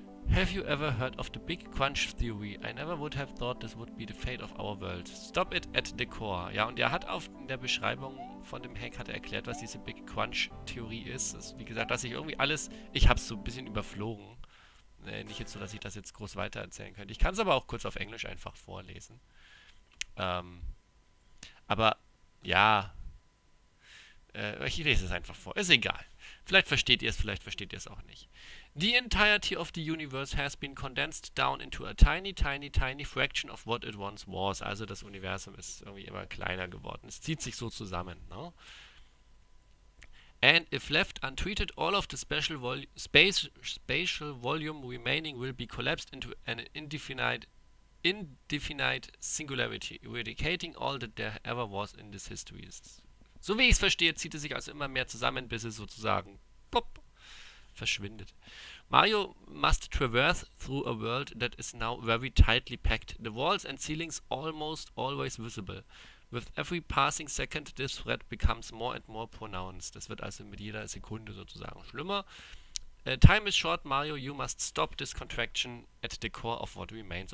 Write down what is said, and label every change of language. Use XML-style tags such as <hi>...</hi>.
<en>Have you ever heard of the Big Crunch Theory? I never would have thought this would be the fate of our world. Stop it at the core.</en> <de>Ja, und er hat in der Beschreibung von dem Hack hat er erklärt, was diese Big Crunch Theorie ist. Das ist, wie gesagt, dass ich irgendwie alles... Ich hab's so ein bisschen überflogen. Nicht jetzt so, dass ich das jetzt groß weitererzählen könnte. Ich kann es aber auch kurz auf Englisch einfach vorlesen. Aber, ja. Ich lese es einfach vor. Ist egal. Vielleicht versteht ihr es, vielleicht versteht ihr es auch nicht.</de> <en>The entirety of the universe has been condensed down into a tiny, tiny, tiny fraction of what it once was.</en> <de>Also das Universum ist irgendwie immer kleiner geworden. Es zieht sich so zusammen, ne?</de> <en>And if left untreated, all of the spatial volume remaining will be collapsed into an indefinite singularity, eradicating all that there ever was in this history.</en> <de>So wie ich es verstehe, zieht es sich also immer mehr zusammen, bis es sozusagen pop, verschwindet.</de> <en>Mario must traverse through a world that is now very tightly packed, the walls and ceilings almost always visible. With every passing second, this threat becomes more and more pronounced.</en> <de>Das wird also mit jeder Sekunde sozusagen schlimmer.</de> <en>Time is short, Mario. You must stop this contraction at the core of what remains.</en>